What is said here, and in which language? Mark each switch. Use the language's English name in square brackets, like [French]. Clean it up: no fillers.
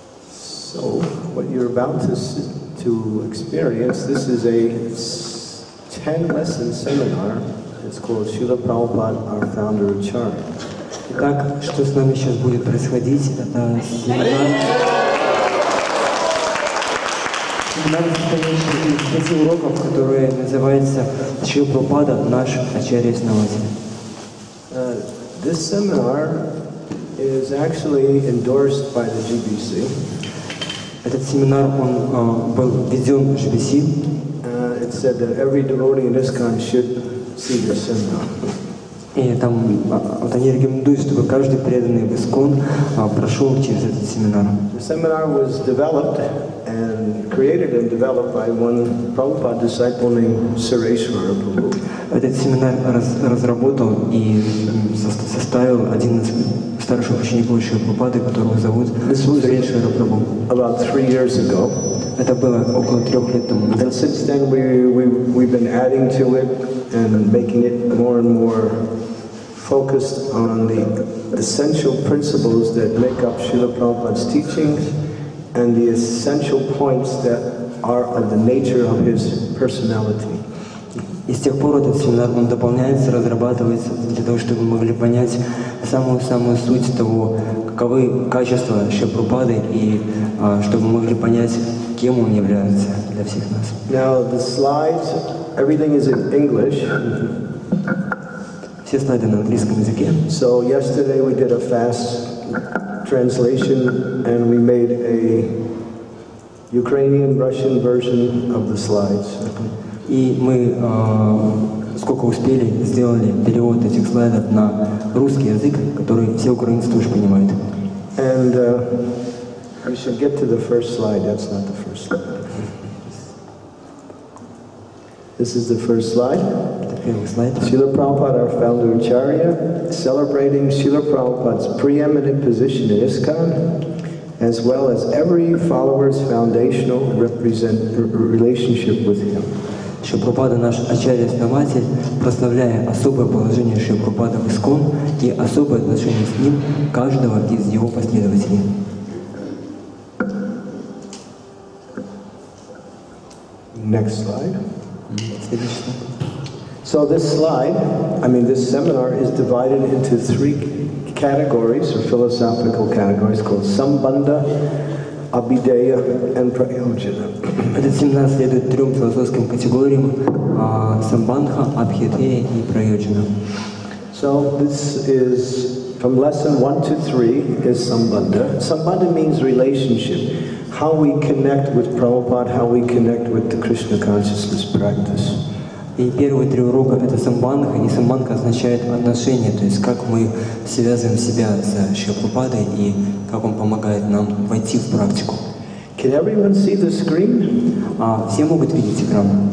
[English] So what you're about to experience, this is a 10-lesson seminar. It's called Srila Prabhupada, our founder of Charm. [Russian] Итак, что с нами сейчас будет происходить, это семинар. Семинар состоящий из 5 уроков, которые называются Шрила Прабхупада, наш Ачарья-основатель. [English] This seminar is actually endorsed by the GBC. [Russian] Этот семинар он был введен в GBC. [English] It said that every devotee in ISKCON should see this seminar. [Russian] И там вот они рекомендуют, чтобы каждый преданный в ИСКОН прошел через этот семинар. [English] The seminar was developed and created and developed by one Prabhupada disciple named Sureshwara Prabhu. [Russian] Этот семинар разработал и составил один из старших учеников Шрилы Прабхупады, которого зовут Сурешвара Прабху. [English] About 3 years ago. [Russian] Это было около 3 лет тому назад. [English] And since then we've been adding to it and making it more and more focused on the essential principles that make up Srila Prabhupada's teachings and the essential points that are of the nature of his personality. [Russian] И с тех пор этот семинар он дополняется, разрабатывается для того, чтобы мы могли понять самую-самую суть того, каковы качества Шрилы Прабхупады и чтобы мы могли понять, кем он является для всех нас. [English] Now the slides, everything is in English. [Russian] Все слайды на английском языке. [English] So yesterday we did a fast translation and we made a Ukrainian-Russian version of the slides. [Russian] И мы, сколько успели, сделали перевод этих слайдов на русский язык, который все украинцы тоже понимают. [English] And we should get to the first slide. That's not the first slide. This is the first slide. [Russian] Это первый слайд. [English] Srila Prabhupada, our founder Acharya, celebrating Srila Prabhupada's preeminent position in ISKCON, as well as every follower's foundational relationship with him. [Russian] Шрила Прабхупада, наш Ачарья-основатель, прославляя особое положение Шрила Прабхупада в ИСКОН и особое отношение с ним каждого из его последователей. [English] Next slide. [Russian] Следующий слайд. [English] So this slide, I mean this seminar is divided into 3 categories or philosophical categories called Sambandha, Abhideya and Prayojana. [Russian] Этот семинар следует трем философским категориям: самбандха, абхидея и прайоджана. [English] So this is from lesson 1 to 3 is sambandha. Sambandha means relationship. How we connect with Prabhupada, how we connect with the Krishna consciousness practice. [Russian] И первые три урока это самбандха, и самбандха означает отношение, то есть как мы связываем себя с Шрилой Прабхупадой и как он помогает нам войти в практику. [English] Can everyone see the screen? [Russian] Все могут видеть экран?